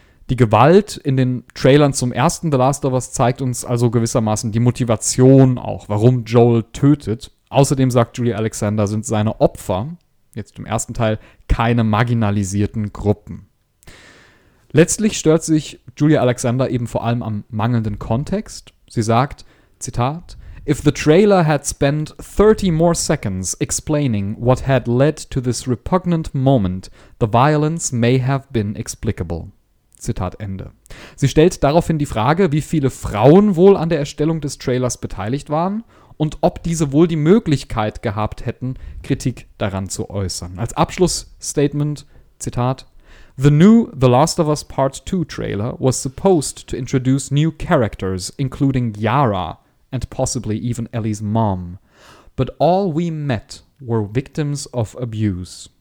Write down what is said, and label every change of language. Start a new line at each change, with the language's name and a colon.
German: Die Gewalt in den Trailern zum ersten The Last of Us zeigt uns also gewissermaßen die Motivation auch, warum Joel tötet. Außerdem, sagt Julia Alexander, sind seine Opfer, jetzt im ersten Teil, keine marginalisierten Gruppen. Letztlich stört sich Julia Alexander eben vor allem am mangelnden Kontext. Sie sagt, Zitat,
English: If the trailer had spent 30 more seconds explaining what had led to this repugnant moment, the violence may have been explicable.
German: Zitat Ende. Sie stellt daraufhin die Frage, wie viele Frauen wohl an der Erstellung des Trailers beteiligt waren und ob diese wohl die Möglichkeit gehabt hätten, Kritik daran zu äußern. Als Abschlussstatement, Zitat,
English: The new The Last of Us Part 2 trailer was supposed to introduce new characters, including Yara and possibly even Ellie's mom. But all we met were victims of abuse.